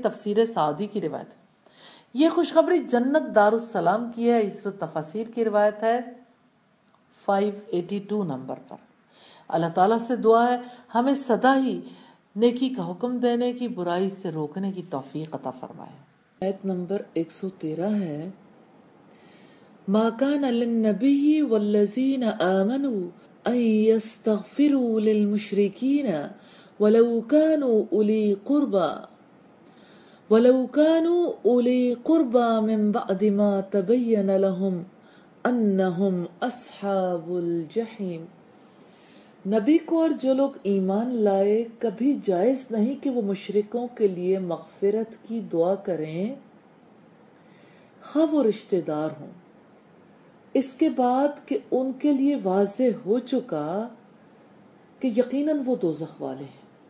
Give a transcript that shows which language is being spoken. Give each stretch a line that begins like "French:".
Urdu: تفسیر سعدی کی روایت ہے. یہ خوشخبری جنت دار السلام کی ہے. اس تفسیر کی روایت ہے 582 نمبر پر. اللہ تعالیٰ سے دعا ہے ہمیں سدا ہی نیکی کا حکم دینے کی, برائی سے روکنے کی توفیق عطا فرمائے. آیت نمبر 113 ہے.
Arabic: ما كان للنبي والذين آمنوا أن يستغفروا للمشركين ولو كانوا أولي قربى من بعد ما تبين لهم أنهم أصحاب الجحيم.
Urdu: نبی کو اور جو لوگ ایمان لائے کبھی جائز نہیں کہ وہ مشرکوں کے لیے مغفرت کی دعا کریں, خواہ وہ رشتے دار ہوں, اس کے بعد کہ ان کے لیے واضح ہو چکا کہ یقیناً وہ دوزخ والے ہیں.